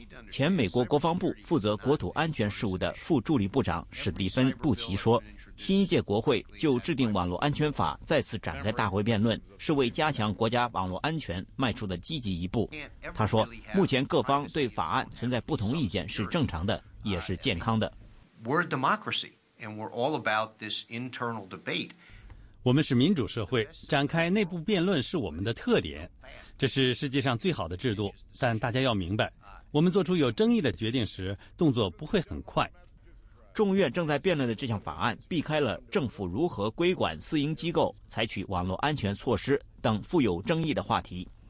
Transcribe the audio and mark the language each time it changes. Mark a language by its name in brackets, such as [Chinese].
[Chinese] 前美国国防部负责国土安全事务的副助理部长史蒂芬·布奇说，新一届国会就制定网络安全法再次展开大会辩论，是为加强国家网络安全迈出的积极一步。他说，目前各方对法案存在不同意见是正常的，也是健康的。 [English] We're a democracy, and we're all about this internal debate. [Chinese] 我们是民主社会，展开内部辩论是我们的特点，这是世界上最好的制度。但大家要明白，我们做出有争议的决定时，动作不会很快。众议院正在辩论的这项法案避开了政府如何规管私营机构、采取网络安全措施等富有争议的话题。